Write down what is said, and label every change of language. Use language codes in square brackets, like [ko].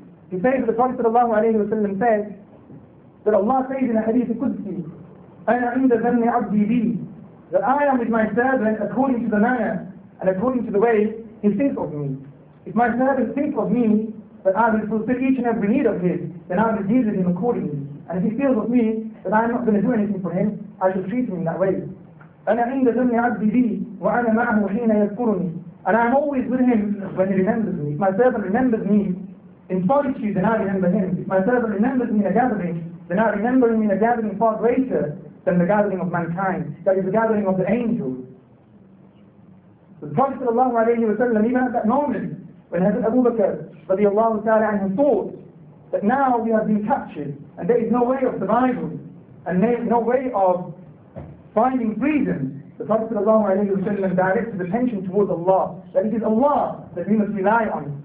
[en] He says that the Prophet sallallahu alayhi wa sallam says that Allah says in a hadith Qudsi, أنا عند ذن عبدي بي, that I am with my servant according to the manner and according to the way he thinks of me. If my servant thinks of me that I will fulfill each and every need of his, then I will deal with him accordingly. And if he feels of me that I am not going to do anything for him, I shall treat him in that way. [ar] أنا عند ذن عبدي بي وأنا معه حين يذكرني. [en] And I am always with him when he remembers me. If my servant remembers me in solitude, then I remember him. If my servant remembers me in a gathering, then I remember him in a gathering far greater than the gathering of mankind, that is the gathering of the angels. The Prophet sallallahu alayhi wa sallam, even at that moment, when Hazrat Abu Bakr radiallahu ta'ala anhu thought that now we have been captured and there is no way of survival and there is no way of finding freedom, the Prophet sallallahu alayhi wa sallam directed attention towards Allah, that it is Allah that we must rely on.